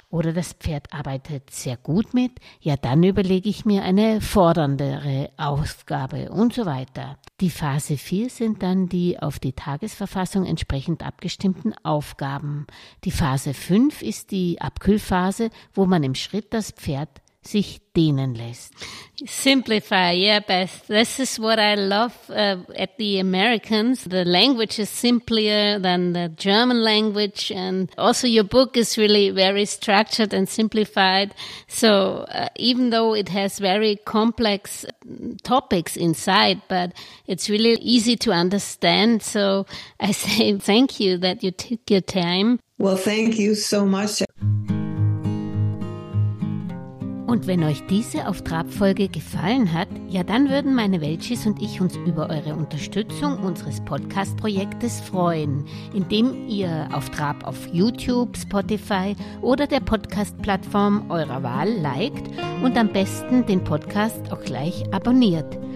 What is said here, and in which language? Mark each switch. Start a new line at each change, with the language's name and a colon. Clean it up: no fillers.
German: Oder das Pferd arbeitet sehr gut mit, ja, dann überlege ich mir eine forderndere Aufgabe und so weiter. Die Phase 4 sind dann die auf die Tagesverfassung entsprechend abgestimmten Aufgaben. Die Phase 5 ist die Abkühlphase, wo man im Schritt das Pferd sich dehnen lässt.
English: Simplify, yeah, Beth. This is what I love at the Americans. The language is simpler than the German language, and also your book is really very structured and simplified. So even though it has very complex topics inside, but it's really easy to understand. So I say thank you that you took your time. Well, thank you so much.
German: Und wenn euch diese Auf Trab-Folge gefallen hat, ja, dann würden meine Welchis und ich uns über eure Unterstützung unseres Podcast-Projektes freuen, indem ihr Auf Trab auf YouTube, Spotify oder der Podcast-Plattform eurer Wahl liked und am besten den Podcast auch gleich abonniert.